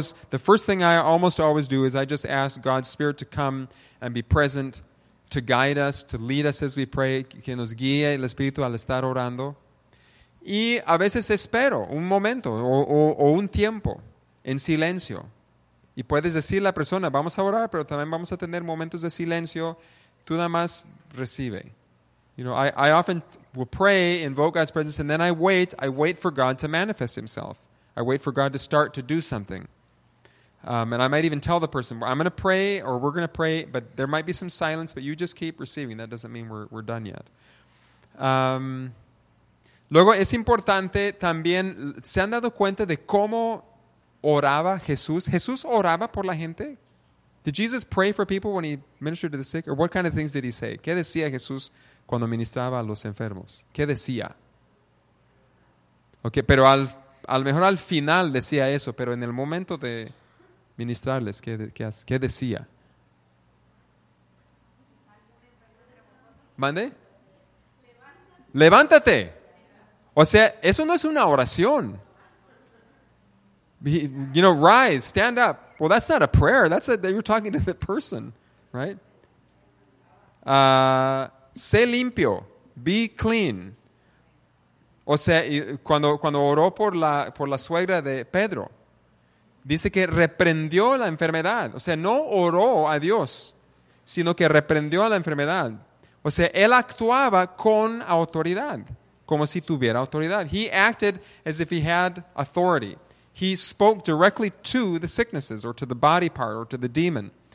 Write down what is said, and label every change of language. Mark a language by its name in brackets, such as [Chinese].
[English] The first thing I almost always do is I just ask God's Spirit to come and be present, to guide us, to lead us as we pray, [Spanish] que nos guíe el espíritu al estar orando. Y a veces espero un momento o un tiempo en silencio. Y puedes decirle a la persona, vamos a orar, pero también vamos a tener momentos de silencio. Tú nada más recibe. [English] You know, I often will pray, invoke God's presence, and then I wait for God to manifest himself. I wait for God to start to do something. And I might even tell the person, I'm going to pray, or we're going to pray, but there might be some silence, but you just keep receiving. That doesn't mean we're done yet. [Spanish] Luego, es importante también, ¿se han dado cuenta de cómo oraba Jesús? ¿Jesús oraba por la gente? [English] Did Jesus pray for people when he ministered to the sick? Or what kind of things did he say? [Spanish] ¿Qué decía Jesús cuando ministraba a los enfermos? ¿Qué decía? Okay, pero al mejor al final decía eso, pero en el momento de ministrarles, ¿qué decía? ¿Mande? ¡Levántate! O sea, eso no es una oración. [English] You know, rise, stand up. Well, that's not a prayer. You're talking to the person, right? [Spanish] Sé limpio, [English] be clean. [Spanish] O sea, cuando oró por la suegra de Pedro, dice que reprendió la enfermedad. O sea, no oró a Dios, sino que reprendió a la enfermedad. O sea, él actuaba con autoridad, como si tuviera autoridad. [English] He acted as if he had authority. He spoke directly to the sicknesses, or to the body part, or to the demon.